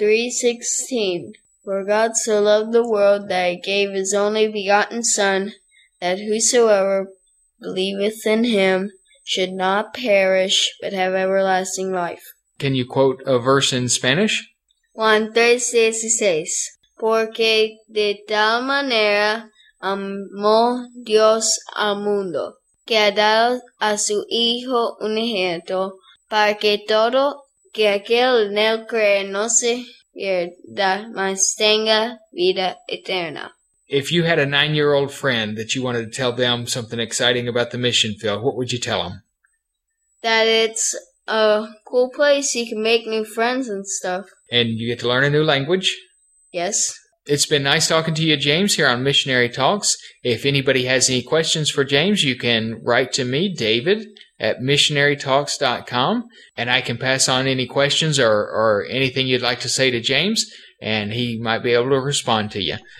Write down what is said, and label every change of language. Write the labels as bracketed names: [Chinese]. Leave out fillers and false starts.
[English] John 3:16. For God so loved the world that he gave his only begotten Son, that whosoever believeth in him should not perish, but have everlasting life. Can you quote a verse in Spanish? [Spanish] Juan 3:16. Porque de tal manera amó Dios al mundo, que ha dado a su Hijo unigénito, para que todo que aquel en él cree no se pierda, mas tenga vida eterna. [English] If you had a 9-year-old friend that you wanted to tell them something exciting about the mission field, what would you tell them? That it's a cool place, you can make new friends and stuff. And you get to learn a new language? Yes. It's been nice talking to you, James, here on Missionary Talks. If anybody has any questions for James, you can write to me, david@missionarytalks.com, and I can pass on any questions or anything you'd like to say to James, and he might be able to respond to you.